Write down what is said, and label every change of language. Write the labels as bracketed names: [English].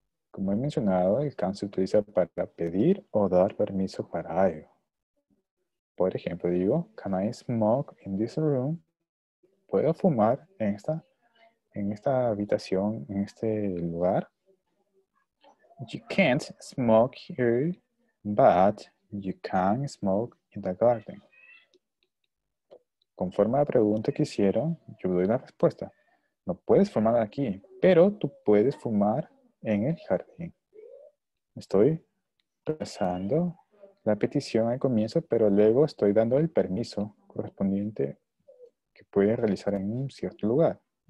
[Spanish] Como he mencionado, el can se utiliza para pedir o dar permiso para algo. Por ejemplo, digo, [English] can I smoke in this room? [Spanish] ¿Puedo fumar en esta habitación, en este lugar? [English] You can't smoke here, but you can smoke in the garden. [Spanish] Conforme a la pregunta que hicieron, yo doy la respuesta. No puedes fumar aquí, pero tú puedes fumar en el jardín. Estoy pasando la petición al comienzo, pero luego estoy dando el permiso correspondiente que puede realizar en un cierto lugar.